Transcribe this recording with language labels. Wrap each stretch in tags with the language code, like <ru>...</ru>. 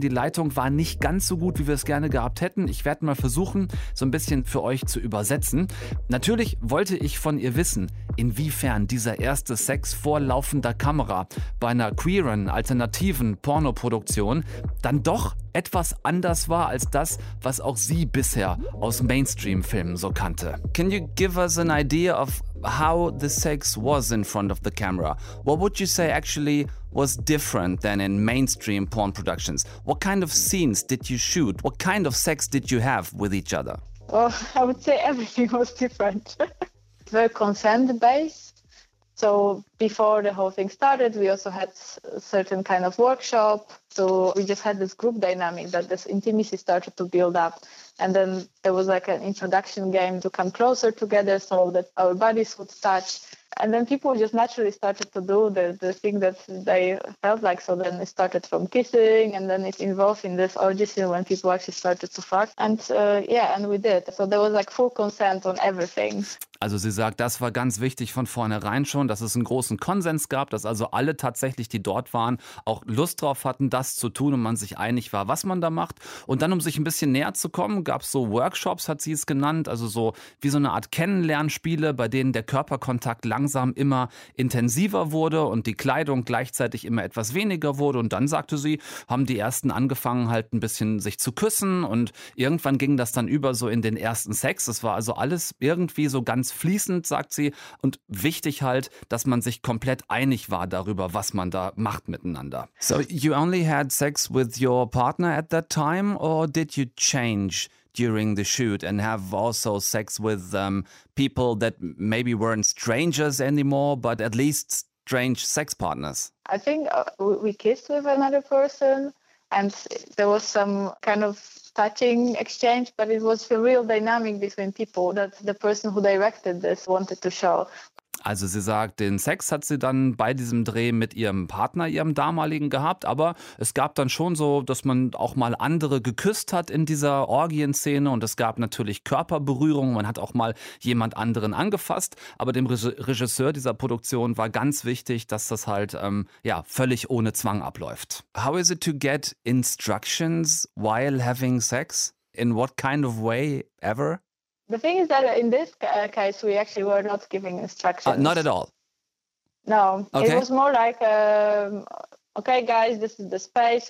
<de>Die Leitung war nicht ganz so gut, wie wir es gerne gehabt hätten. Ich werde mal versuchen, so ein bisschen für euch zu übersetzen. Natürlich wollte ich von ihr wissen, inwiefern dieser erste Sex vor laufender Kamera bei einer queeren, alternativen Pornoproduktion dann doch etwas anders war als das, was auch sie bisher aus Mainstream-Filmen so kannte.</de> <en>Can you give us an idea of how the sex was in front of the camera? What would you say actually was different than in mainstream porn productions? What kind of scenes did you shoot? What kind of sex did you have with each other? Well, I would say everything was different. Very consent-based. So before the whole thing started, we also had a certain kind of workshop. So we just had this group dynamic that this intimacy started to build up. And then there was like an introduction game to come closer together so that our bodies would touch. And then people just naturally started to do the thing that they felt like. So then it started from kissing and then it involved in this orgy scene when people actually started to fuck. And yeah, and we did. So there was like full consent on everything.</en> <de>Also sie sagt, das war ganz wichtig von vornherein schon, dass es einen großen Konsens gab, dass also alle tatsächlich, die dort waren, auch Lust drauf hatten, das zu tun und man sich einig war, was man da macht. Und dann, um sich ein bisschen näher zu kommen, gab es so Workshops, hat sie es genannt, also so wie so eine Art Kennenlernspiele, bei denen der Körperkontakt langsam immer intensiver wurde und die Kleidung gleichzeitig immer etwas weniger wurde. Und dann, sagte sie, haben die Ersten angefangen halt ein bisschen sich zu küssen und irgendwann ging das dann über so in den ersten Sex. Es war also alles irgendwie so ganz fließend, sagt sie, und wichtig halt, dass man sich komplett einig war darüber, was man da macht miteinander.</de> <en>So you only had sex with your partner at that time, or did you change during the shoot and have also sex with people that maybe weren't strangers anymore, but at least strange sex partners? I think we kissed with another person and there was some kind of touching exchange, but it was a real dynamic between people that the person who directed this wanted to show.</en> <de>Also sie sagt, den Sex hat sie dann bei diesem Dreh mit ihrem Partner, ihrem damaligen, gehabt. Aber es gab dann schon so, dass man auch mal andere geküsst hat in dieser Orgienszene. Und es gab natürlich Körperberührungen. Man hat auch mal jemand anderen angefasst. Aber dem Regisseur dieser Produktion war ganz wichtig, dass das halt völlig ohne Zwang abläuft.</de> <en>How is it to get instructions while having sex? In what kind of way ever? The thing is that in this case, we actually were not giving instructions. Not at all? No. Okay. It was more like, okay, guys, this is the space.</en>